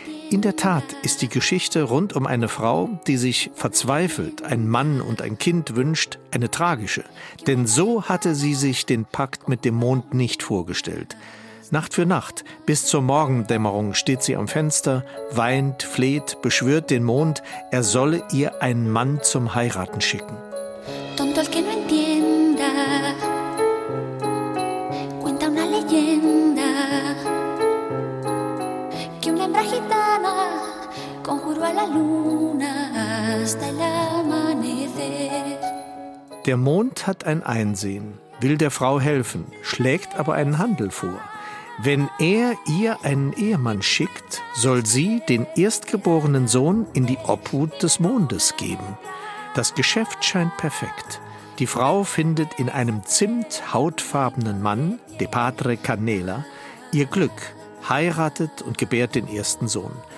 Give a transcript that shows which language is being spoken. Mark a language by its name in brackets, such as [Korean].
[German] In der Tat ist die Geschichte rund um eine Frau, die sich verzweifelt einen Mann und ein Kind wünscht, eine tragische. Denn so hatte sie sich den Pakt mit dem Mond nicht vorgestellt. Nacht für Nacht, bis zur Morgendämmerung, steht sie am Fenster, weint, fleht, beschwört den Mond, er solle ihr einen Mann zum Heiraten schicken. [Spanish] Tonto el que no entienda, cuenta una leyenda, que una hembra gitana conjuró a la luna hasta el amanecer. [German] Der Mond hat ein Einsehen, will der Frau helfen, schlägt aber einen Handel vor. Wenn er ihr einen Ehemann schickt, soll sie den erstgeborenen Sohn in die Obhut des Mondes geben. Das Geschäft scheint perfekt. Die Frau findet in einem zimthautfarbenen Mann, de Padre Canela, ihr Glück, heiratet und gebärt den ersten Sohn.